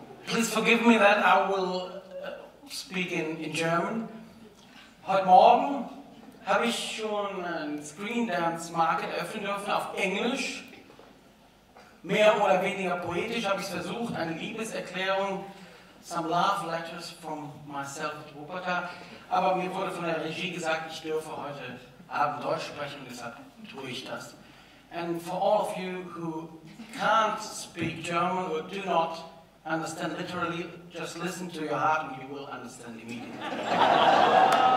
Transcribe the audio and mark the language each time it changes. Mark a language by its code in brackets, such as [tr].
[en] Please forgive me that I will speak in German. [de] Heute Morgen habe ich schon ein Screen Dance Market eröffnen dürfen auf Englisch. Mehr oder weniger poetisch habe ich versucht, eine Liebeserklärung, [en] some love letters from myself to Wuppertal. [de] Aber mir wurde von der Regie gesagt, ich dürfe heute Abend Deutsch sprechen, deshalb tue ich das. [en] And for all of you who can't speak German or do not understand literally, just listen to your heart and you will understand immediately.